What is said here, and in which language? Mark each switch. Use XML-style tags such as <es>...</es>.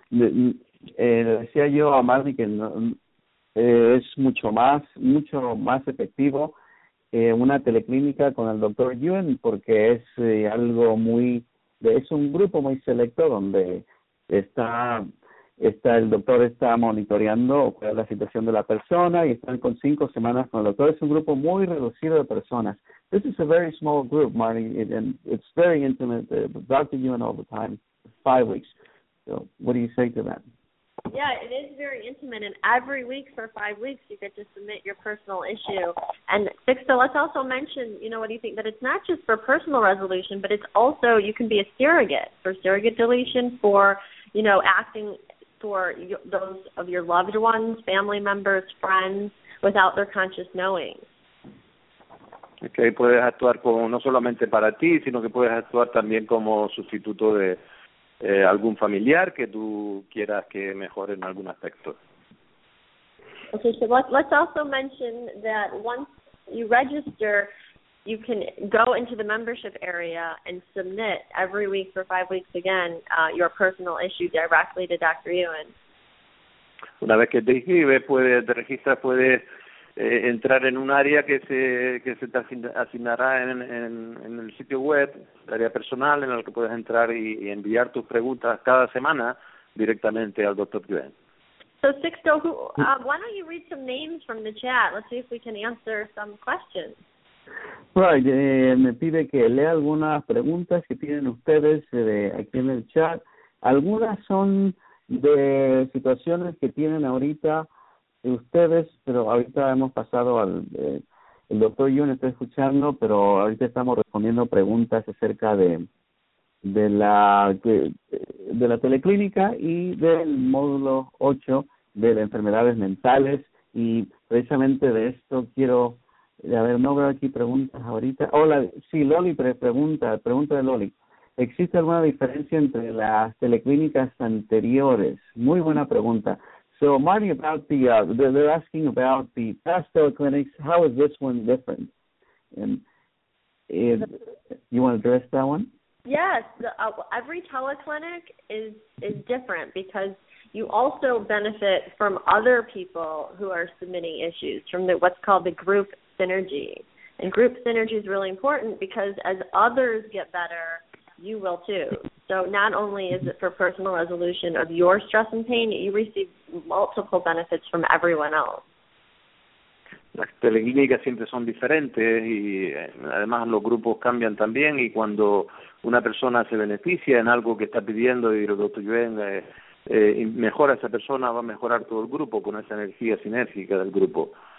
<es>Decía yo a Marley que no, es mucho más efectivo una teleclínica con el doctor Yuen, porque es algo muy, es un grupo muy selecto donde está el doctor, está monitoreando cuál es la situación de la persona y están con 5 semanas con el doctor. Es un grupo muy reducido de personas.</es> <en>This is a very small group, Marty, and it's very intimate. Dr. Yuen all the time, 5 weeks. So what do you say to that? Yeah, it is very intimate, and every week for 5 weeks you get to submit your personal issue. And Sixto, let's also mention, you know, what do you think, that it's not just for personal resolution, but it's also, you can be a surrogate deletion for, you know, acting for those of your loved ones, family members, friends, without their conscious knowing.</en> <es>Okay, puedes actuar como, no solamente para ti, sino que puedes actuar también como sustituto de algún familiar que tú quieras que mejore en algún aspecto.</es> <en>Okay, so let's also mention that once you register, you can go into the membership area and submit every week for 5 weeks again your personal issue directly to Dr. Yuen.</en> <es>Una vez que te inscribes, puedes entrar en un área que se te asignará en el sitio web, el área personal, en la que puedes entrar y enviar tus preguntas cada semana directamente al Dr. Yuen.</es> <en>So, Sixto, why don't you read some names from the chat? Let's see if we can answer some questions. Right.</en> <es>Me pide que lea algunas preguntas que tienen ustedes aquí en el chat. Algunas son de situaciones que tienen ahorita ustedes, pero ahorita hemos pasado al el doctor Yuen está escuchando, pero ahorita estamos respondiendo preguntas acerca de la teleclínica y del módulo 8 de las enfermedades mentales, y precisamente de esto quiero, a ver, no veo aquí preguntas ahorita. Hola, sí, Loli pregunta de Loli. ¿Existe alguna diferencia entre las teleclínicas anteriores? Muy buena pregunta.</es> <en>So, Marty, about the they're asking about the past teleclinics. How is this one different? And you want to address that one? Yes, every teleclinic is different because you also benefit from other people who are submitting issues from what's called the group synergy. And group synergy is really important because as others get better, you will too. So not only is it for personal resolution of your stress and pain, you receive multiple benefits from everyone else.</en> <es>Las teleclínicas siempre son diferentes y además los grupos cambian también, y cuando una persona se beneficia en algo que está pidiendo y el doctor Yuen mejora a esa persona, va a mejorar todo el grupo con esa energía sinérgica del grupo.</es>